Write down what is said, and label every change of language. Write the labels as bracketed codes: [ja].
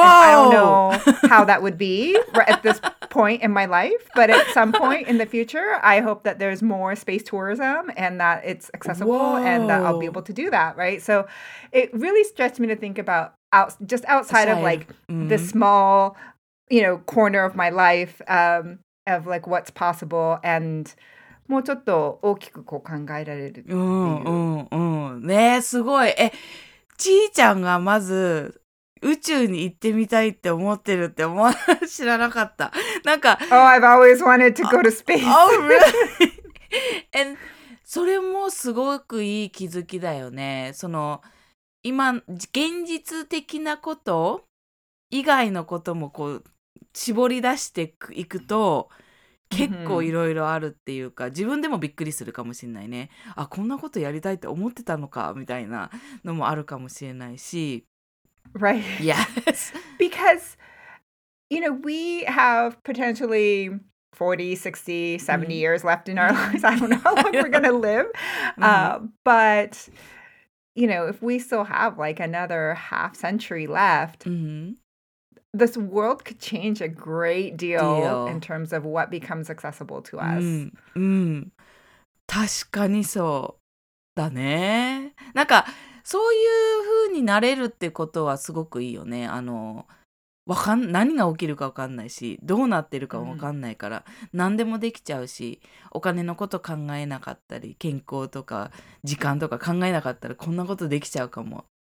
[en] I don't know how that would be at this point in my life, but at some point in the future, I hope that there's more space tourism and that it's accessible and that I'll be able to do that, right? So it really stretched me to think about outside of like the small, you know, corner of my life, of like what's possible and... [ja] もうちょっと大きくこう考えられるっていう。ねえ、すごい。え、ちいちゃんがまず宇宙に行ってみたいって思ってるって思わ知らなかった。なんか、 [en] Oh, I've always wanted to go to space. Oh, really? [ja] And それもすごくいい気づきだよね。その、今、現実的なこと以外のこともこう、絞り出していくと、結構いろいろあるっていうか、自分でもびっくりするかもしれないね。あ、こんなことやりたいって思ってたのか、みたいなのもあるかもしれないし。 [en] Right. Yes. Because, you know, we have potentially 40, 60, 70 years left in our lives. I don't know how long we're going to live. But, you know, if we still have like another half century left, this world could change a great deal in terms of what becomes accessible to us. [ja] 確かにそうだね。なんかそういう風になれるってことはすごくいいよね。あの、何が起きるか分かんないし、どうなってるか分かんないから、何でもできちゃうし、お金のこと考えなかったり、健康とか時間とか考えなかったらこんなことできちゃうかも。